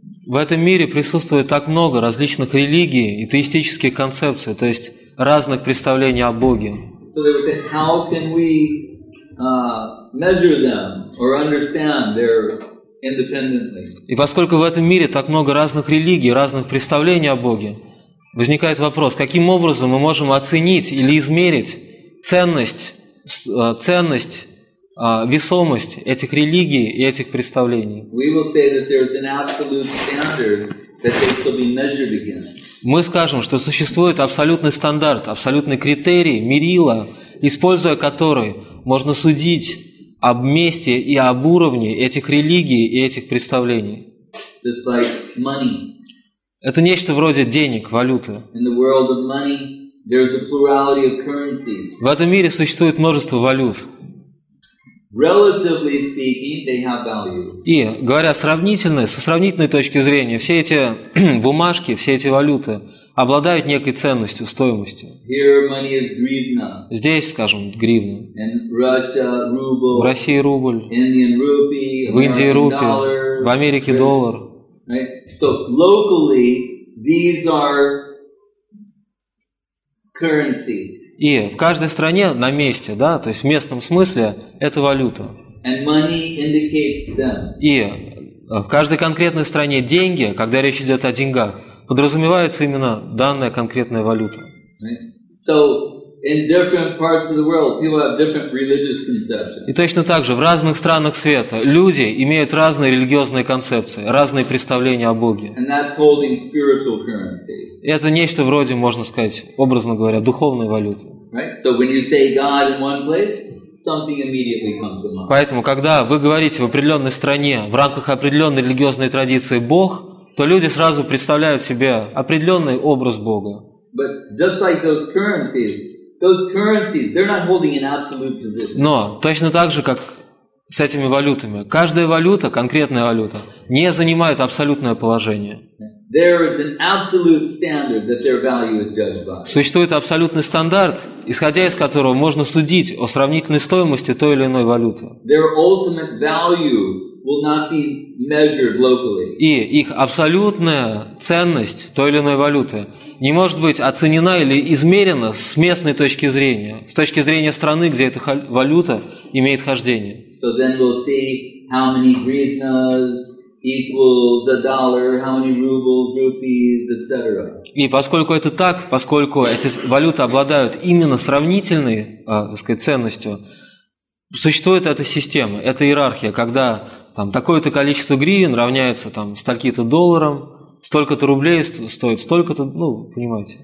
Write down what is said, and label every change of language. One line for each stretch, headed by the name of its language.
Russian: В этом мире присутствует так много различных религий и теистических концепций, то есть разных представлений о Боге.
English: So they would say, how can we measure them or understand their independently?
Russian: И поскольку в этом мире так много разных религий, разных представлений о Боге, возникает вопрос, каким образом мы можем оценить или измерить ценность, весомость этих религий и этих представлений.
English: We will say that there is an absolute standard that they shall be measured against.
Russian: Мы скажем, что существует абсолютный стандарт, абсолютный критерий, мерило, используя который можно судить об месте и об уровне этих религий и этих представлений.
English: Just like money.
Russian: Это нечто вроде денег, валюты.
English: In the world of money, there is a plurality of currencies.
Russian: В этом мире существует множество валют.
English: Relatively speaking, they have value.
Russian: И, говоря сравнительно, со сравнительной точки зрения, все эти бумажки, все эти валюты обладают некой ценностью, стоимостью.
English: Here money is hryvnia.
Russian: Здесь, скажем, гривна.
English: In Russia, ruble.
Russian: В России рубль.
English: Indian rupee.
Russian: В Индии рупия. В Америке доллар.
English: Right? So locally, these are currency.
Russian: И в каждой стране на месте, да, то есть в местном смысле, это валюта.
English: And money indicates them.
Russian: И в каждой конкретной стране деньги, когда речь идет о деньгах, подразумевается именно данная конкретная валюта.
English: Right? So in different parts of the world, people have different religious conceptions.
Russian: И точно так же в разных странах света люди имеют разные религиозные концепции, разные представления о Боге.
English: And that's holding spiritual currency.
Russian: И это нечто вроде, можно сказать, образно говоря, духовной валюты.
English: Right. So when you say God in one place, something immediately comes to mind.
Russian: Поэтому, когда вы говорите в определенной стране в рамках определенной религиозной традиции Бог, то люди сразу представляют себе определенный образ Бога.
English: But just like those currencies. Those currencies, they're not holding an absolute position.
Russian: Но точно так же, как с этими валютами. Каждая валюта, конкретная валюта, не занимает абсолютное положение.
English: There is an absolute standard that their value is judged by.
Russian: Существует абсолютный стандарт, исходя из которого можно судить о сравнительной стоимости той или иной валюты.
English: Their ultimate value will not be measured locally.
Russian: И их абсолютная ценность той или иной валюты не может быть оценена или измерена с местной точки зрения, с точки зрения страны, где эта валюта имеет хождение.
English: So then we'll see how many hryvnias equals a dollar, how many rubles, rupees, etc.
Russian: И поскольку это так, поскольку эти валюты обладают именно сравнительной, так сказать, ценностью, существует эта система, эта иерархия, когда там такое-то количество гривен равняется там стольки-то долларам, столько-то рублей стоит, столько-то, ну, понимаете.